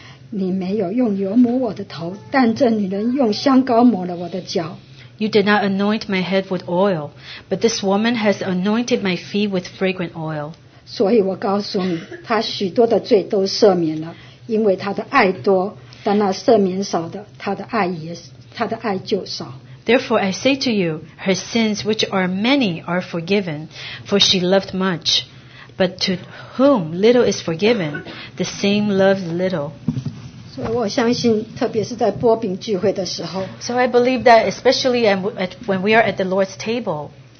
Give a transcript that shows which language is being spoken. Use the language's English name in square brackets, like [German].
[Chinese] 你没有用油抹我的头，但这女人用香膏抹了我的脚。 [English] You did not anoint my head with oil, but this woman has anointed my feet with fragrant oil. [Chinese] 所以我告诉你, 她许多的罪都赦免了, 因为她的爱多, 但那赦免少的, 她的爱也, 她的爱就少。 [English] Therefore I say to you, her sins which are many are forgiven, for she loved much. But to whom little is forgiven, the same loves little. [Chinese] 所以我相信, 特别是在波饼聚会的时候, [English] so I believe that especially when we are at the Lord's table,